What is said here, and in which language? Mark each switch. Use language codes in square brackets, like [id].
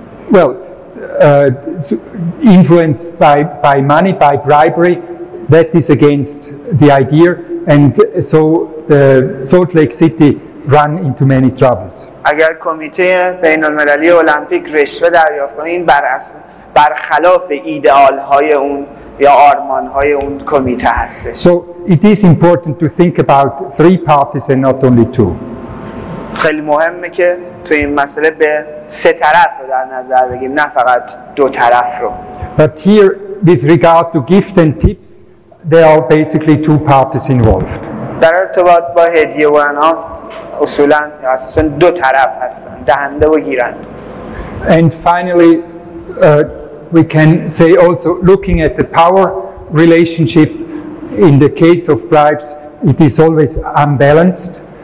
[en] If international Olympics are basically influenced by money, by bribery, that is against the idea, and so the Salt Lake City ran into many troubles. [fa] اگر کمیته بین المللی المپیک رشوه دریافت کنه، این برخلاف ایدئال های اون یا آرمان های اون کمیته هستش. [en] So it is important to think about three parties and not only two. [fa] خیلی مهمه که تو این مسئله به سه طرف رو در نظر بگیم، نه فقط دو طرف رو. [en] But here, with regard to gift and tips, there are basically two parties involved. [fa] در ارتباط با هدیه و انعام اصولاً یا اساساً دو طرف هستن، دهنده و گیرنده. [en] And finally, we can say also, looking at the power relationship in the case of bribes, it is always unbalanced.